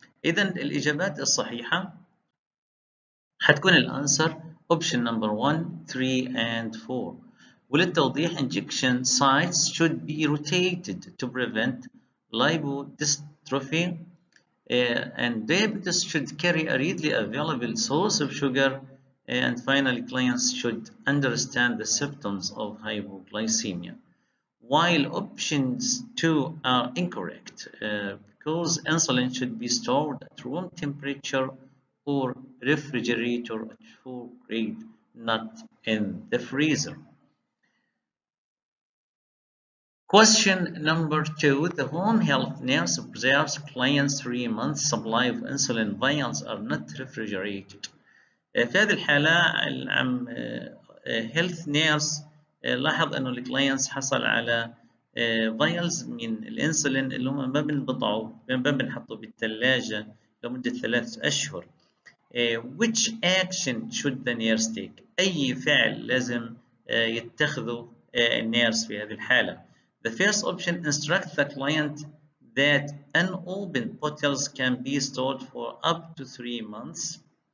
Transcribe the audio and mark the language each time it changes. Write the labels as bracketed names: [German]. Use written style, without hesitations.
[Arabic] إذا الإجابات الصحيحة حتكون الأنسر [English] option number 1, 3 and 4. وللتوضيح injection sites should be rotated to prevent lipodystrophy. And diabetes should carry a readily available source of sugar. And finally, clients should understand the symptoms of hypoglycemia. While options 2 are incorrect, because insulin should be stored at room temperature or refrigerator at full grade, not in the freezer. Question number 2. The home health nurse observes client's 3-month supply of insulin vials are not refrigerated. [Arabic] في هذه الحالة العم health nurse لاحظ انه الكلاينتس حصل على vials من الانسولين اللي هم ما بنبطعوا ما بنحطوا بالثلاجة لمدة 3 أشهر. [English] Which action should the nurse take؟ [Arabic] اي فعل لازم يتخذه النيرس في هذه الحالة؟ [English] The first option instructs the client that unopened bottles can be stored for up to 3 months.